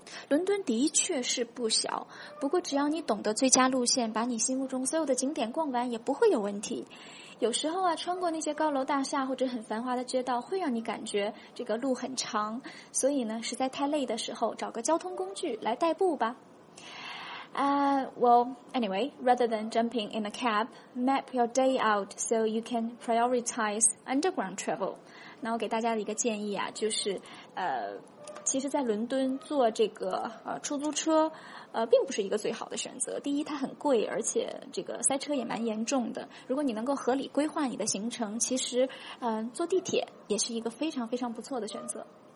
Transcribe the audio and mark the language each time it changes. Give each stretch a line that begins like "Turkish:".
Chinese: 伦敦的确是不小，不过只要你懂得最佳路线，把你心目中所有的景点逛完也不会有问题。有时候啊，穿过那些高楼大厦或者很繁华的街道，会让你感觉这个路很长，所以呢，实在太累的时候，找个交通工具来代步吧。
English: Anyway, rather than jumping in a cab, map your day out so you can prioritize underground travel.
Chinese: 那我给大家的一个建议啊，就是其实在伦敦坐这个出租车并不是一个最好的选择。第一，它很贵，而且这个塞车也蛮严重的。如果你能够合理规划你的行程，其实坐地铁也是一个非常非常不错的选择。